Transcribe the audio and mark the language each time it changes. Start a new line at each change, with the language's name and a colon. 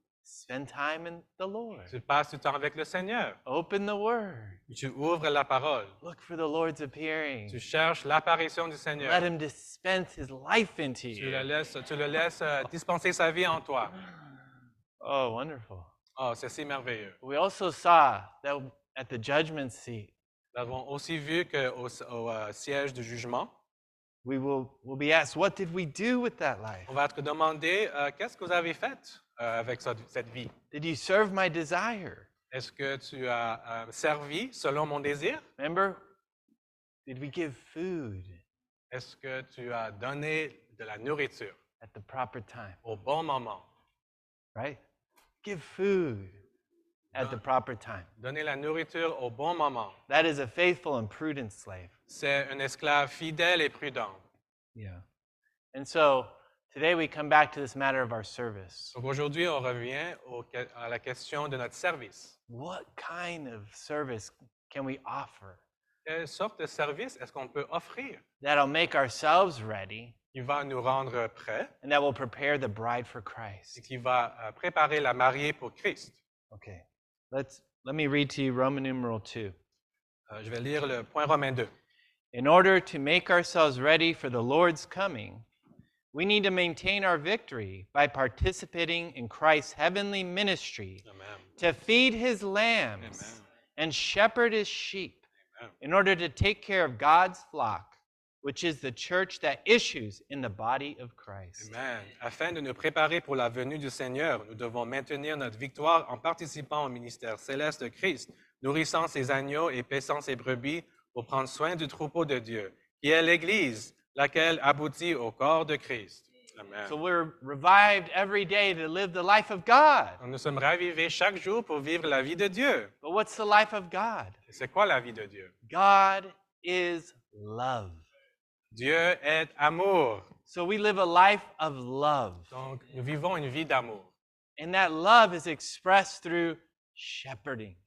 English: Spend time in the Lord.
French: Tu passes du temps avec le Seigneur.
English: Open the Word.
French: Tu ouvres la parole.
English: Look for the Lord's appearing.
French: Tu cherches l'apparition du Seigneur.
English: Let him dispense his life into you.
French: Tu le laisses dispenser sa vie en toi.
English: Oh, wonderful.
French: Oh, c'est si merveilleux.
English: We also saw that at the judgment seat.
French: Nous avons aussi vu que au siège du jugement.
English: We'll be asked, what did we do with that life?
French: On va être demandé, qu'est-ce que vous avez fait avec cette vie?
English: Did you serve my desire?
French: Est-ce que tu as servi selon mon désir?
English: Remember, did we give food?
French: Est-ce que tu as donné de la nourriture?
English: At the proper time.
French: Au bon moment.
English: Right? Give food. At the proper time.
French: Donner la nourriture au bon moment.
English: That is a faithful and prudent slave.
French: C'est un esclave fidèle et prudent.
English: Yeah. And so, today we come back to this matter of our service.
French: Donc aujourd'hui, on revient à la question de notre service.
English: What kind of service can we offer?
French: Quelle sorte de service est-ce qu'on peut offrir?
English: That'll make ourselves ready.
French: qui va nous rendre prêts.
English: And that will prepare the bride for Christ.
French: Et qui va préparer la mariée pour Christ.
English: Okay. Let me read to you Roman numeral 2.
French: Je vais lire le point Romain 2.
English: In order to make ourselves ready for the Lord's coming, we need to maintain our victory by participating in Christ's heavenly ministry. Amen. To feed his lambs. Amen. And shepherd his sheep. Amen. In order to take care of God's flock, which is the church that issues in the body of Christ. Amen.
French: Afin de nous préparer pour la venue du Seigneur, nous devons maintenir notre victoire en participant au ministère céleste de Christ, nourrissant ses agneaux et paissant ses brebis pour prendre soin du troupeau de Dieu, qui est l'Église, laquelle aboutit au corps de Christ. Amen.
English: So we're revived every day to live the life of God.
French: Nous sommes ravivés chaque jour pour vivre la vie de Dieu.
English: But what's the life of God?
French: C'est quoi la vie de Dieu?
English: God is love.
French: Dieu est amour.
English: So we live a life of love.
French: Donc nous vivons une vie d'amour.
English: And that love is expressed through shepherding.